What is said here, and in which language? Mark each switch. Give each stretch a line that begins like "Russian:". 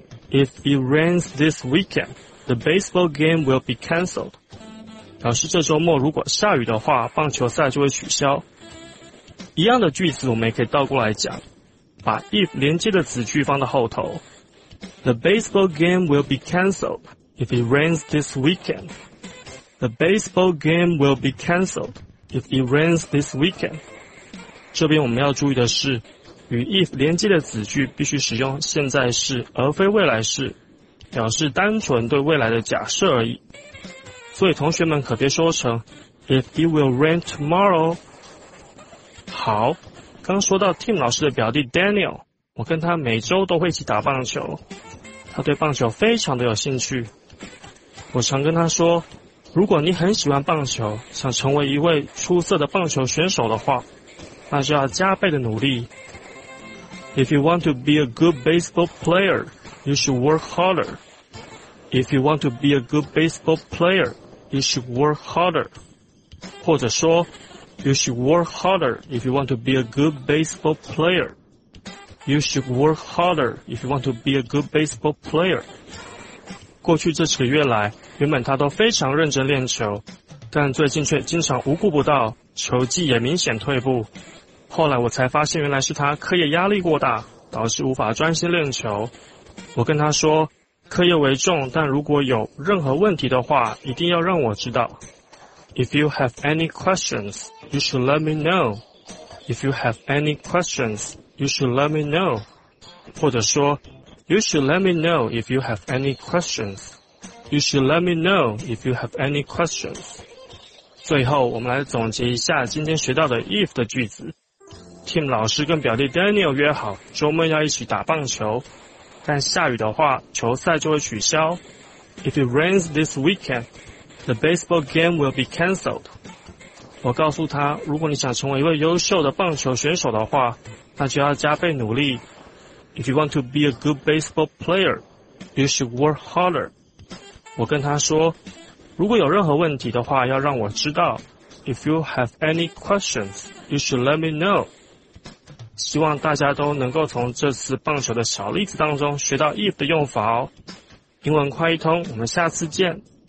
English: If it rains this weekend, the baseball game will be canceled.
Chinese: 表示这周末如果下雨的话，棒球赛就会取消。一样的句子我们也可以倒过来讲，把 if 连接的子句放到后头。
English: The baseball game will be canceled if it rains this weekend. The baseball game will be canceled if it rains this weekend.
Chinese: 这边我们要注意的是，与 if 连接的子句必须使用现在式而非未来式，表示单纯对未来的假设而已。所以同学们可别说成
English: if it will rain tomorrow。
Chinese: 好，刚说到 Tim 老师的表弟 Daniel， 我跟他每周都会一起打棒球，他对棒球非常的有兴趣。我常跟他说，如果你很喜欢棒球，想成为一位出色的棒球选手的话，那就要加倍的努力。
English: If you want to be a good baseball player, you should work harder. If you want to be a good baseball player, you should work harder.
Chinese: 或者说
English: You should work harder if you want to be a good baseball player. You should work harder if you want to be a good baseball player.
Chinese: 过去这几个月来，原本他都非常认真练球，但最近却经常无故不到，球技也明显退步。后来我才发现，原来是他课业压力过大，导致无法专心练球。我跟他说，课业为重，但如果有任何问题的话，一定要让我知道。
English: If you have any questions, you should let me know. If you have any questions, you should let me know.
Chinese: 或者说
English: ,You should let me know if you have any questions. You should let me know if you have any questions.
Chinese: 最后我们来总结一下今天学到的 if 的句子。 Tim 老师跟表弟 Daniel 约好周末要一起打棒球，但下雨的话球赛就会取消。
English: If it rains this weekend,The baseball game will be cancelled.
Chinese: 我告诉他，如果你想成为一位优秀的棒球选手的话，那就要加倍努力。
English: If you want to be a good baseball player, you should work harder.
Chinese: 我跟他说，如果有任何问题的话，要让我知道。
English: If you have any questions, you should let me know.
Chinese: 希望大家都能够从这次棒球的小例子当中学到 if 的用法哦。英文快一通，我们下次见。